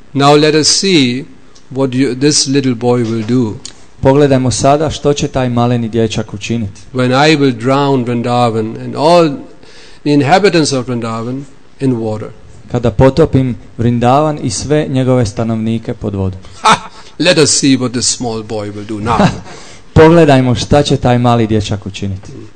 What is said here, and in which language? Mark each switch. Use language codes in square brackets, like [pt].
[en] Now let us see what this little boy will do. [hr] Pogledajmo sada što će taj maleni dječak učiniti. [en] When I will drown Vrindavan and all the inhabitants of Vrindavan in water. [hr] Kada potopim Vrindavan i sve njegove stanovnike pod vodu. [en] Let us see what this small boy will do now. [hr] Pogledajmo šta će taj mali dječak učiniti.